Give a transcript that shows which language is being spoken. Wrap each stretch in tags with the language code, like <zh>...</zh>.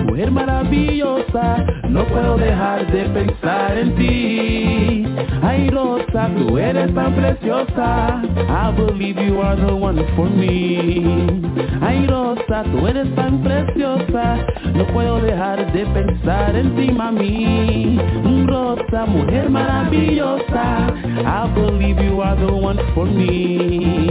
<es>Maravillosa, no puedo dejar de pensar en ti. Ay, Rosa, tú eres tan preciosa.</es> <en>I believe you are the one for me.</en> <es>Ay, Rosa, tú eres tan preciosa. No puedo dejar de pensar en ti, mami. Rosa, mujer maravillosa.</es> <en>I believe you are the one for me.</en>